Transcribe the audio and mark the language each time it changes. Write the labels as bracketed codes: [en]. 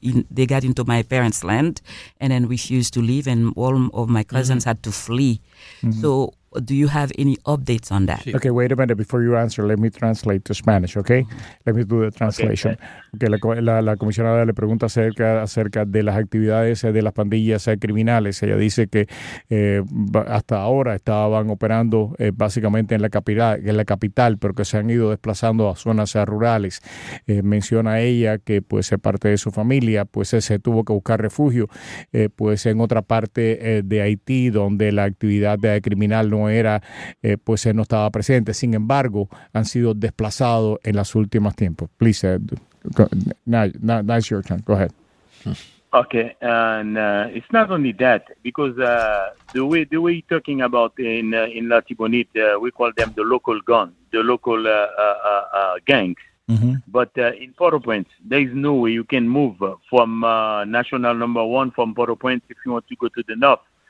[en] They got into my parents' land, and then refused to leave, and all of my cousins had to flee. Mm-hmm. So, do you have any updates on that? Okay, wait a minute. Before you answer, let me translate to Spanish, okay? Let me do the translation. [es] La comisionada le pregunta acerca de las actividades de las pandillas criminales. Ella dice que hasta ahora estaban operando básicamente en la capital, pero que se han ido desplazando a zonas rurales. Menciona ella que pues parte de su familia pues se tuvo que buscar refugio pues en otra parte de Haití, donde la actividad de criminal no estaba presente. Sin embargo, han sido desplazados en los últimos tiempos. [en] Please, now it's your turn. Go ahead. Okay, and it's not only that, because the way you're talking about in Latibonite, we call them the local gun, the local gangs. But in Port-au-Prince, there is no way you can move from National Number 1 from Port-au-Prince if you want to go to the north.